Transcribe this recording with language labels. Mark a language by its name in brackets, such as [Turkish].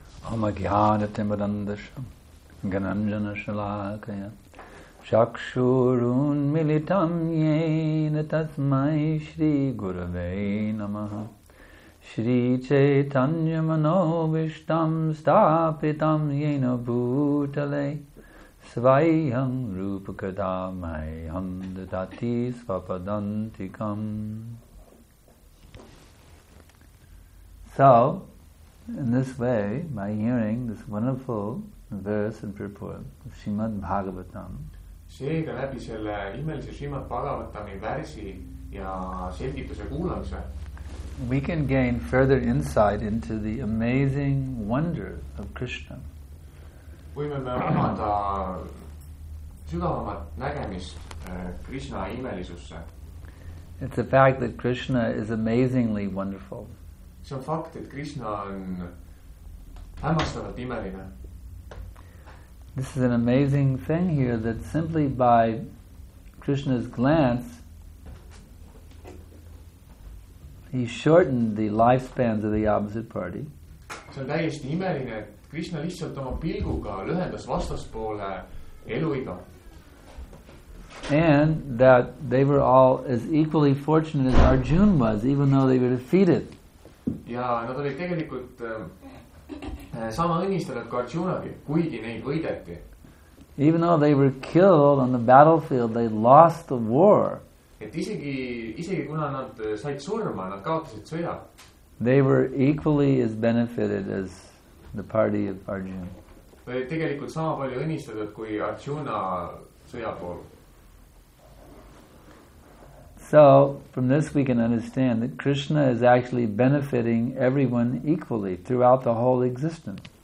[Sanskrit] Om Agyana Timurandasham Gananjana Shalakaya Chakshurun militam yena tasmai shri gurave namaha shri chaitanya manovishtam stapitam yena bhutale svayam rupakadamayam dadati svapadantikam. [English] So, in this way, by hearing this wonderful verse and purport of Srimad Bhagavatam, [Estonian] seega läbi selle imelise Srimad Bhagavatami värsi ja selgituse kuulamise [English] we can gain further insight into the amazing wonder of Krishna. [Estonian] Võime me avada sügavamat nägemist Krishna imelisusse. [English] It's a fact that Krishna is amazingly wonderful. [Estonian] See on fakt, et Krishna on hämmastavalt imeline. [English] This is an amazing thing here, that simply by Krishna's glance, He shortened the lifespans of the opposite party. [Estonian] See on täiesti imeline, et Krishna lihtsalt oma pilguga lühendas vastaspoole eluiga. [English] And that they were all as equally fortunate as Arjuna was, even though they were defeated. [Estonian] Ja nad olid tegelikult sama õnnistatud kui Arjunagi, kuigi neid võideti. [English] Even though they were killed on the battlefield, they lost the war. [Estonian] Et isegi kuna nad said surma, nad kaotasid sõja. [English] They were equally as benefited as the party of Arjuna. [Estonian] Või tegelikult sama palju õnnistatud kui Arjuna sõjapool. [English] So, from this we can understand that Krishna is actually benefiting everyone equally throughout the whole existence.